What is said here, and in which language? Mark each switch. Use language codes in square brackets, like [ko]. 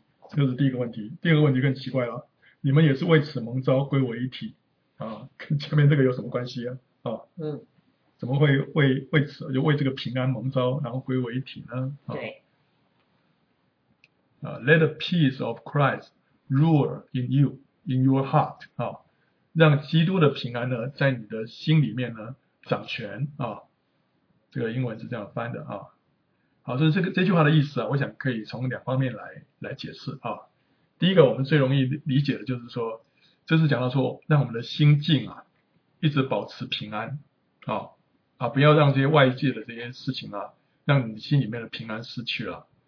[zh] 这是第一个问题。第二个问题更奇怪了，你们也是为此蒙召归为一体啊，跟前面这个有什么关系啊？怎么会为这个平安蒙召，然后归为一体呢？对。 [en] Let the peace of Christ rule in you, in your heart [zh] 啊，让基督的平安呢，在你的心里面呢掌权啊。这个英文是这样翻的啊。好，所以这句话的意思啊，我想可以从两方面来解释啊。第一个，我们最容易理解的就是说，这是讲到说，让我们的心境啊，一直保持平安啊，不要让这些外界的这些事情啊，让你心里面的平安失去了。